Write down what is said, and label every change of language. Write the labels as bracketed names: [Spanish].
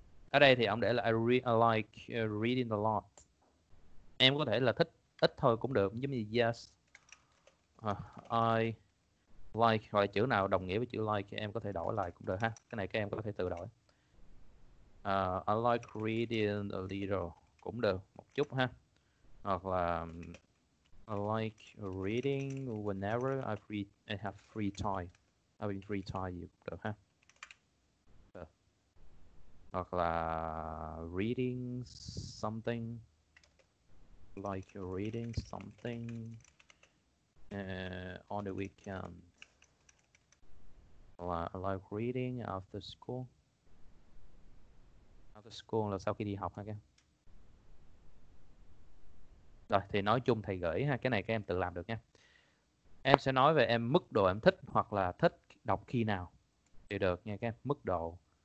[Vietnamese] Ở đây thì ông để là [English] I like reading a lot. [Vietnamese] Em có thể là thích ít thôi cũng được, giống như [English] yes, I like, [Vietnamese] hoặc là chữ nào đồng nghĩa với chữ like em có thể đổi lại cũng được ha. Cái này các em có thể tự đổi. [English] I like reading a little [Vietnamese] cũng được một chút ha. Hoặc là [English] I like reading whenever I have free time. Having free time [Vietnamese] gì cũng được ha. Hoặc là [English] reading something, like reading something on the weekend. [Vietnamese] Hoặc là [English] I like reading after school [Vietnamese] là sau khi đi học ha các. Rồi thì nói chung thầy gửi ha, cái này các em tự làm được nha. Em sẽ nói về em mức độ em thích hoặc là thích đọc khi nào thì được nha các em, mức độ.